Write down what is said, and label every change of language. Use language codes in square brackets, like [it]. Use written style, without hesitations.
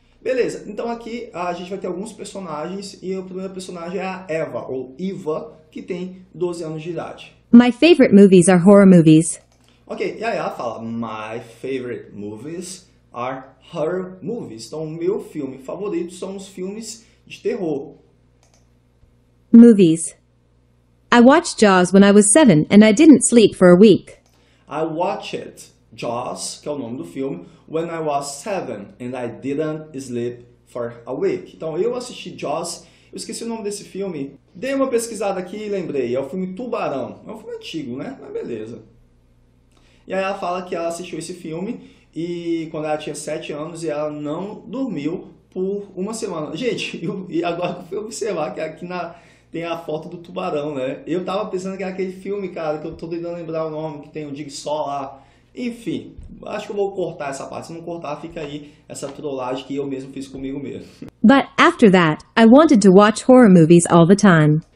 [pt] Beleza, então aqui a gente vai ter alguns personagens e o primeiro personagem é a Eva, ou Eva, que tem 12 anos de idade. [en] My favorite movies are horror movies. [pt] Ok, e aí ela fala, [en] my favorite movies are horror movies. [pt] Então, o meu filme favorito são os filmes de terror. [en] Movies. I watched Jaws when I was 7 and I didn't sleep for a week. I watched Jaws, [pt] que é o nome do filme, [en] when I was 7 and I didn't sleep for a week. [pt] Então, eu assisti Jaws, eu esqueci o nome desse filme. Dei uma pesquisada aqui e lembrei, é o filme Tubarão. É um filme antigo, né? Mas beleza. E aí ela fala que ela assistiu esse filme e quando ela tinha 7 anos e ela não dormiu por uma semana. Gente, e agora que eu fui observar que aqui na... Tem a foto do tubarão, né? Eu tava pensando que era aquele filme, cara, que eu tô tentando lembrar o nome, que tem o Jigsaw lá. Enfim, acho que eu vou cortar essa parte. Se não cortar, fica aí essa trollagem que eu mesmo fiz comigo mesmo. [en] But after that, I wanted to watch horror movies all the time.